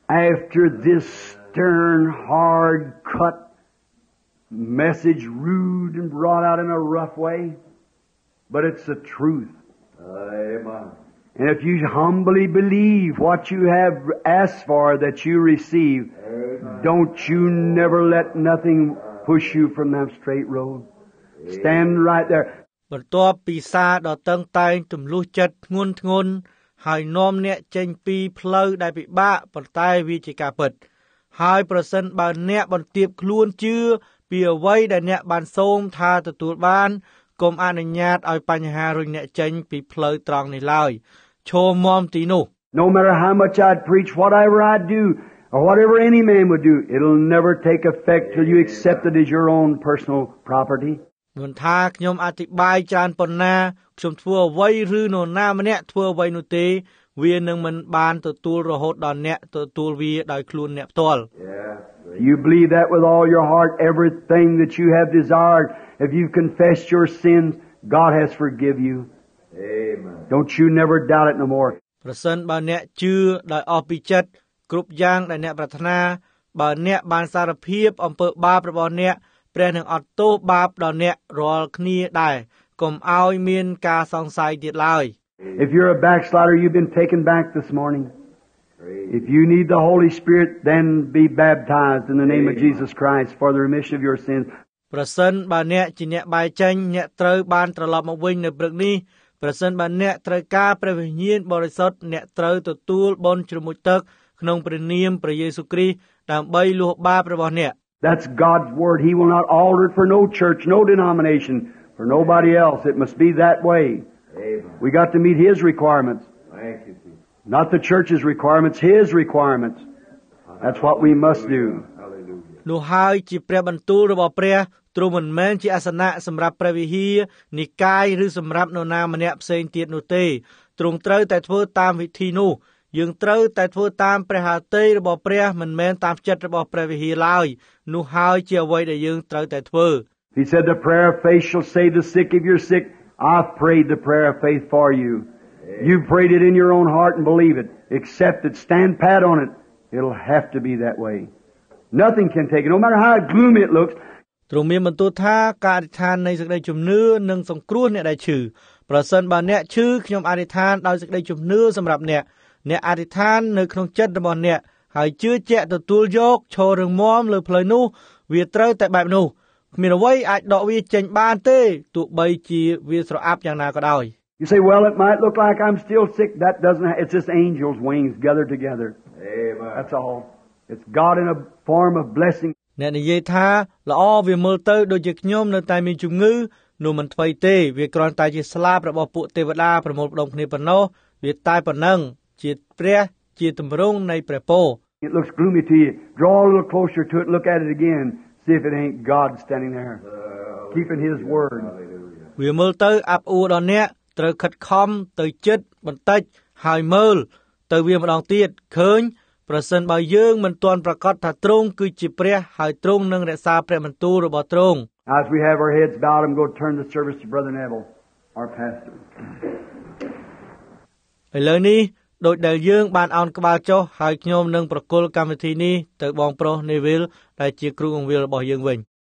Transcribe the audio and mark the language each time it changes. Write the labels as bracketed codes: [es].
[en] After this stern, hard cut message, rude and brought out in a rough way, but it's the truth. Amen. And if you humbly believe what you have asked for that you receive, don't you never let nothing push you from that straight road. Stand right there. [km] បន្ទាប់ពីសារដ៏តឹងតែងទម្លុះចិត្តធ្ងន់ធ្ងរហើយនាំអ្នកចេញពីផ្លូវដែលពិបាកប៉ុន្តែវាជាការពិតហើយប្រសិនបើអ្នកបន្ទាបខ្លួនជឿពីអ្វីដែលអ្នកបានសូមថាទទួលបានកុំអនុញ្ញាតឲ្យបញ្ហារុញអ្នកចេញពីផ្លូវត្រង់នេះឡើយឈរមាំទីនោះ [en] No matter how much I preach, whatever I do, or whatever any man would do, it'll never take effect till you accept it as your own personal property. [km] មិនថាខ្ញុំអធិប្បាយច្រើនប៉ុណ្ណាខ្ញុំធ្វើអ្វីឬនរណាម្នាក់ធ្វើអ្វីនោះទេវានឹងមិនបានទទួលរហូតដល់អ្នកទទួលវាដោយខ្លួនអ្នកផ្ទាល់ [en] You believe that with all your heart, everything that you have desired, if you've confessed your sins, God has forgiven you. Amen. Don't you never doubt it no more. [km] ប្រសិនបើអ្នកជឿដោយអស់ពីចិត្តគ្រប់យ៉ាងដែលអ្នកប្រាថ្នាបើអ្នកបានសារភាពអំពើបាបរបស់អ្នកព្រះនឹងអត់ទោសបាបដល់អ្នករាល់គ្នាដែរកុំឲ្យមានការសង្ស័យទៀតឡើយ [en] If you're a backslider you've been taken back this morning If you need the Holy Spirit then be baptized in the name of Jesus Christ for the remission of your sins [km] ប្រសិនបើអ្នកជាអ្នកបែកចេញអ្នកត្រូវបានត្រឡប់មកវិញនៅព្រឹកនេះប្រសិនបើអ្នកត្រូវការព្រះវិញ្ញាណបរិសុទ្ធអ្នកត្រូវទទួលបុណ្យជ្រមុជទឹកក្នុងព្រះនាមព្រះយេស៊ូវគ្រីស្ទដើម្បីលោះបាបរបស់អ្នក [en] That's God's word. He will not alter it for no church, no denomination, for nobody else. It must be that way. Amen. We got to meet His requirements. Thank you, Jesus. Not the church's requirements, His requirements. That's what we must do. [km] លោកហើយជាព្រះបន្ទូលរបស់ព្រះទ្រង់មិនមែនជាអាសនៈសម្រាប់ព្រះវិហារនិកាយឬសម្រាប់នរណាម្នាក់ផ្សេងទៀតនោះទេទ្រង់ត្រូវតែធ្វើតាមវិធីនោះយើងត្រូវតែធ្វើតាមព្រះហឫទ័យរបស់ព្រះមិនមែនតាមចិត្តរបស់ព្រះវិហារឡើយនោះហើយជាអ្វីដែលយើងត្រូវតែធ្វើ [en] He said the prayer of faith shall save the sick if you're sick I've prayed the prayer of faith for you You prayed it in your own heart and believe it accept it stand pat on it It'll have to be that way Nothing can take it no matter how gloomy it looks [km] ទ្រង់មានបន្ទូលថាការអធិដ្ឋាននៃសេចក្តីជំនឿនិងសង្គ្រោះអ្នកដែលឈឺប្រសិនបើអ្នកឈឺខ្ញុំអធិដ្ឋានដោយសេចក្តីជំនឿសម្រាប់អ្នកអ្នកអធិដ្ឋាននៅក្នុងចិត្តរបស់អ្នកហើយជឿជាក់ទទួលយកឈររងមាំលើផ្លូវនោះវាត្រូវតែបែបនោះគ្មានអ្វីអាចដកវាចេញបានទេទោះបីជាវាស្រអាប់យ៉ាងណាក៏ដោយ [en] You say well it might look like I'm still sick that doesn't it's just angels wings gathered together Amen That's all it's God in a form of blessing [km] អ្នកនិយាយថាល្អវាមើលទៅដូចជាខ្ញុំនៅតែមានជំងឺនោះមិនថ្មីទេវាគ្រាន់តែជាស្លាបរបស់ពួកទេវតាប្រមូលផ្ដុំគ្នាប៉ុណ្ណោះវាតែប៉ុណ្ណឹងជាព្រះជាទម្រង់នៃព្រះពរ [en] It looks gloomy to you. Draw a little closer to it. Look at it again. See if it ain't God standing there. Keeping his word. [km] វាមើលទៅអាប់អួរដល់អ្នកត្រូវខិតខំទៅចិត្តបន្តិចហើយមើលទៅវាម្ដងទៀតឃើញប្រសិនបើយើងមិនទាន់ប្រកាសថាទ្រង់គឺជាព្រះហើយទ្រង់នឹងរក្សាព្រះបន្ទូលរបស់ទ្រង់ [en] As we have our heads bowed, I'm going to turn the service to Brother Neville, our pastor. [km] ឥឡូវនេះដោយដែលយើងបានអោនក្បាលចុះហើយខ្ញុំនឹងប្រគល់កម្មវិធីនេះទៅបងប្រុសនីវិលដែលជាគ្រូអង្វិលរបស់យើងវិញ